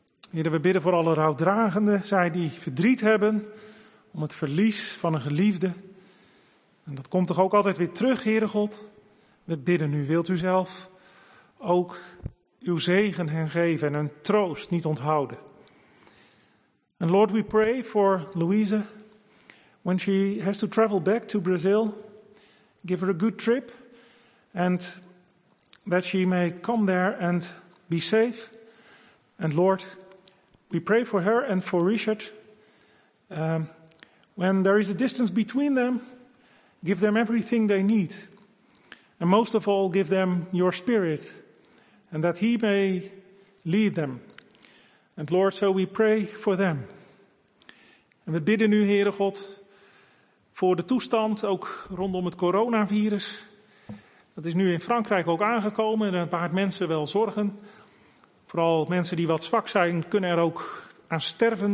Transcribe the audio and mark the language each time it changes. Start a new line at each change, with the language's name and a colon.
Dutch: Heren, we bidden voor alle rouwdragenden, zij die verdriet hebben om het verlies van een geliefde. En dat komt toch ook altijd weer terug, Heere God. We bidden u, wilt u zelf ook uw zegen hen geven en hun troost niet onthouden.
English: And Lord, we pray for Louise when she has to travel back to Brazil. Give her a good trip and that she may come there and be safe. And Lord, we pray for her and for Richard. When there is a distance between them, give them everything they need. And most of all, give them your spirit, and that he may lead them. And Lord, so we pray for them.
Dutch: En we bidden nu, Heere God, voor de toestand, ook rondom het coronavirus. Dat is nu in Frankrijk ook aangekomen en dat baart mensen wel zorgen. Vooral mensen die wat zwak zijn, kunnen er ook aan sterven.